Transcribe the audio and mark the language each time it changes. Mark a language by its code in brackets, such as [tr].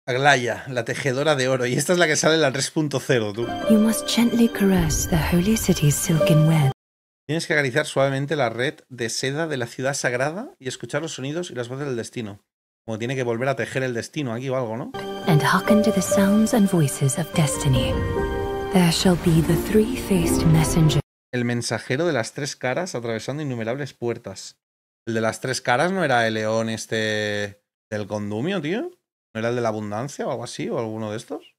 [es] Aglaia, la tejedora de oro. Y esta es la que sale en la 3.0, tú. [en] You must gently caress the holy city's silken web. [es] Tienes que acariciar suavemente la red de seda de la ciudad sagrada y escuchar los sonidos y las voces del destino. Como tiene que volver a tejer el destino aquí o algo, ¿no? [en] And hearken to the sounds and voices of destiny. There shall be the three-faced messenger. [es] El mensajero de las tres caras atravesando innumerables puertas. ¿El de las tres caras no era el león este del condumio, tío? ¿No era el de la abundancia o algo así o alguno de estos?